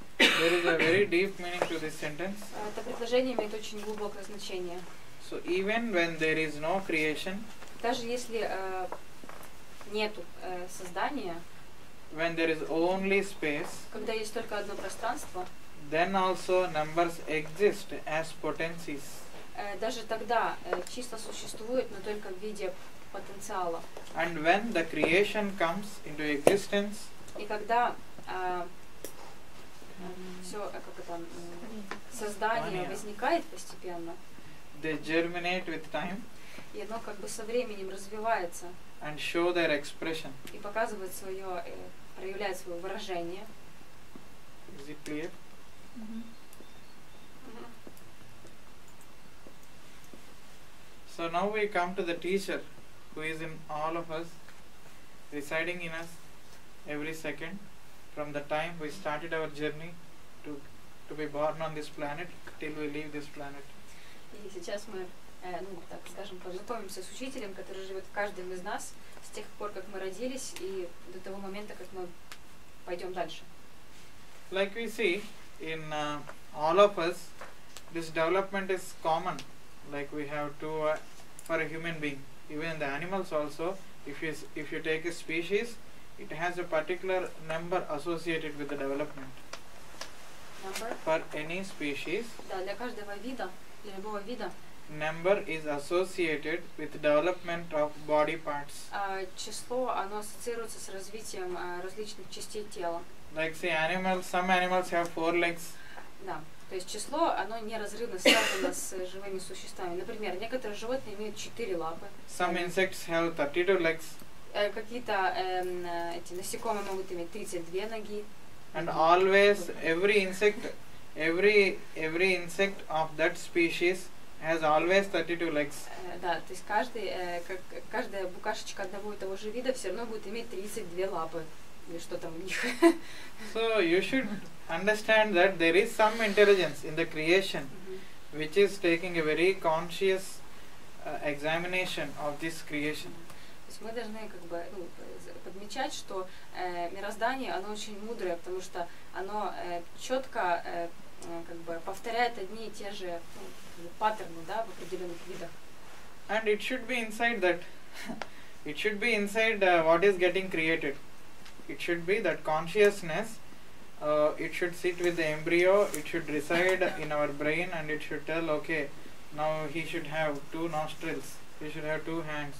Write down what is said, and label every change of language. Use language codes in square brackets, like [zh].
[en] There is a very deep meaning to this sentence. [ru] Это предложение имеет очень глубокое значение. [en] So even when there is no creation, [ru] даже если нету создания, [en] when there is only space, [ru] когда есть только одно пространство, [en] then also numbers exist as potencies. [ru] Даже тогда числа существуют, но только в виде потенциала. [en] And when the creation comes into existence, [ru] и когда все как это создание возникает постепенно. [en] They germinate with time. [ru] И оно как бы со временем развивается. [en] And show their expression. [ru] И показывает свое, проявляет свое выражение. [en] Is it clear? So now we come to the teacher who is in all of us, residing in us every second from the time we started our journey to be born on this planet till we leave this planet. [ru] И сейчас мы, так скажем, познакомимся с учителем, который живет в каждом из нас с тех пор, как мы родились, и до того момента, как мы пойдем дальше. [en] Like we see in all of us, this development is common. Like we have two for a human being, even the animals also. If you take a species, it has a particular number associated with the development. Number for any species. [ru] Да, для каждого вида. Для любого вида. [en] Number is associated with development of body parts. [ru] Число, оно ассоциируется с развитием различных частей тела. [en] Like say animals, some animals have four legs. [ru] Да, то есть число, оно неразрывно связано с живыми существами. Например, некоторые животные имеют четыре лапы. [en] Some insects have 32 legs. [ru] Какие-то эти насекомые могут иметь 32 ноги. [en] And always every insect. Every insect of that species has always 32 legs. [ru] Да, то есть каждая букашечка одного и того же вида все равно будет иметь 32 лапы или что там у них. [en] So you should understand that there is some intelligence in the creation, mm-hmm. which is taking a very conscious examination of this creation. [ru] То есть мы должны как бы подмечать, что мироздание оно очень мудрое, потому что оно четко как бы повторяет одни и те же паттерны, да, в определенных видах. [en] And it should be inside that. It should be inside what is getting created. It should be that consciousness. It should sit with the embryo. It should reside in our brain, and it should tell, okay, now he should have two nostrils. He should have two hands.